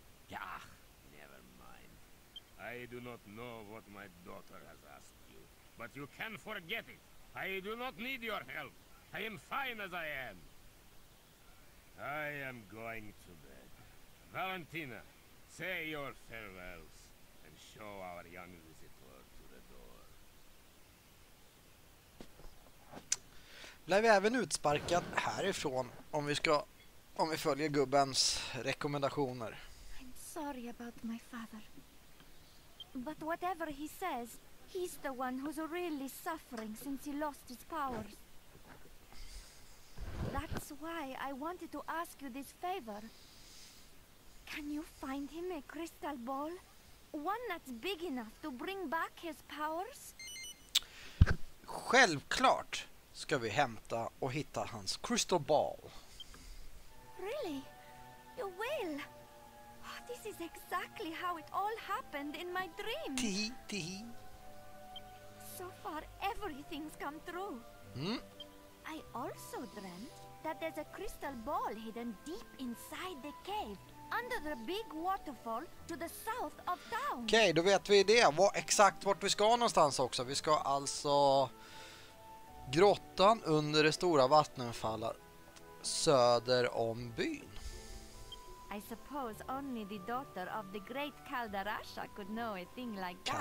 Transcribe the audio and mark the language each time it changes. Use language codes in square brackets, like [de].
[en] Yeah, never mind. I do not know what my daughter has asked you, but you can forget it. I do not need your help. I am fine as I am. I am going to bed. Valentina, say your farewells and show our young visitor to the door. [sv] Blev även utsparkad härifrån om vi ska, om vi följer gubbens rekommendationer. [en] Sorry about my father. But whatever he says, he's the one who's really suffering since he lost his powers. That's why I wanted to ask you this favor. Can you find him a crystal ball? One that's big enough to bring back his powers? [sv] Självklart ska vi hämta och hitta hans crystal ball. [en] Really? You will? This is exactly how it all happened in my dream. Tee-hee. So far, everything's come true. Hmm? I also dreamt that there's a crystal ball hidden deep inside the cave, under the big waterfall to the south of town. [sv] Okej, då vet vi det. Var exakt vart vi ska någonstans också. Vi ska alltså grottan under det stora vattenfallet söder om byn. [en] I suppose only the daughter of the great Kaldarasha could know a thing like that.